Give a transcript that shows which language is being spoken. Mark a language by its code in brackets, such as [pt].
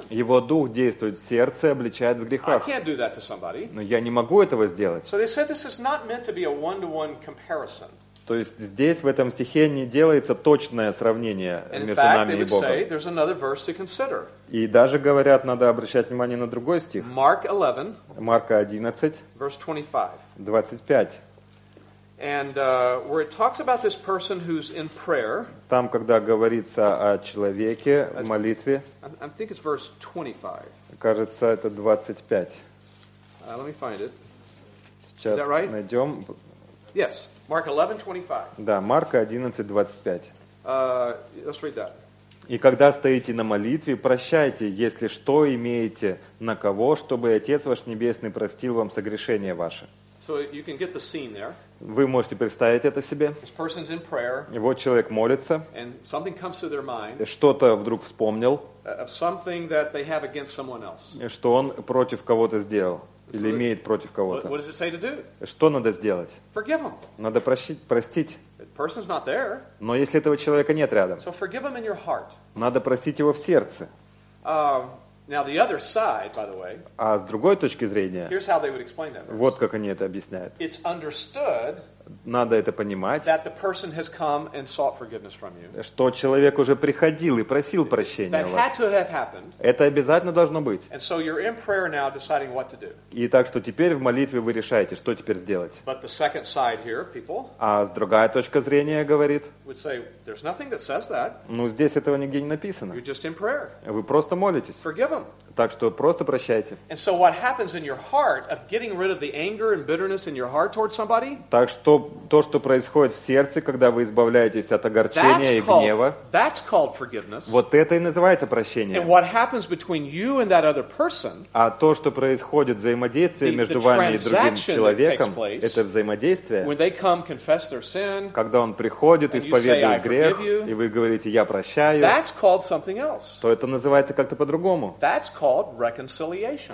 [ru] Его Дух действует в сердце и обличает в грехах. [en] I can't do that to somebody. [ru] Но я не могу этого сделать. [en] So they said this is not meant to be a one-to-one comparison. [ru] То есть здесь, в этом стихе, не делается точное сравнение между нами и Богом. [en] Say, there's another verse to consider. [ru] И даже говорят, надо обращать внимание на другой стих. [en] Mark 11, [ru] Марка 11, [en] verse 25. [ru] 25. [en] And where it talks about this person who's in prayer. [ru] Там, когда говорится о человеке в молитве. [en] I think it's verse 25. [ru] Кажется, это 25. [en] Let me find it. [ru] Сейчас [en] Is that right? [ru] Найдем. [en] Yes, Mark 11:25. [ru] Да, Марка 11:25. [en] Let's read that. [ru] И когда стоите на молитве, прощайте, если что имеете на кого, чтобы Отец ваш Небесный простил вам согрешения ваши. [en] So you can get the scene there. [ru] Вы можете представить это себе. [en] This person's in prayer, [ru] и вот человек молится. [en] And something comes to their mind, [ru] что-то вдруг вспомнил. [en] Something that they have against someone else. [ru] Что он против кого-то сделал. Или имеет против кого-то. [en] What does it say to do? [ru] Что надо сделать? [en] Forgive him. [ru] Надо простить. [en] The person's not there. [ru] Но если этого человека нет рядом. [en] So forgive him in your heart. [ru] Надо простить его в сердце. [en] Now the other side, by the way. [ru] А с другой точки зрения. [en] Here's how they would explain that. [ru] Вот как они это объясняют. [en] It's understood. [ru] Надо это понимать. [en] That the person has come and sought forgiveness from you. [ru] Что человек уже приходил и просил прощения у вас. [en] That had to have happened. [ru] Это обязательно должно быть. [en] And so you're in prayer now, deciding what to do. [ru] И так что теперь в молитве вы решаете, что теперь сделать. [en] But the second side here, people. [ru] А с другая точка зрения говорит. [en] Would say there's nothing that says that. [ru] Ну здесь этого нигде не написано. [en] You're just in prayer. [ru] Вы просто молитесь. [en] Forgive them. [ru] Так что просто прощайте. [en] And so what happens in your heart of getting rid of the anger and bitterness in your heart towards somebody? [ru] Так что то, что происходит в сердце, когда вы избавляетесь от огорчения и гнева, [en] called, that's called forgiveness. [ru] Вот это и называется прощение. [en] And what happens between you and that other person, [ru] а то, что происходит взаимодействие между вами и другим человеком, place, это взаимодействие, [en] when they come confess their sin, [ru] когда он приходит, исповедует грех, [en] you, [ru] и вы говорите «я прощаю», [en] that's called something else. [ru] То это называется как-то по-другому. [en] That's called reconciliation.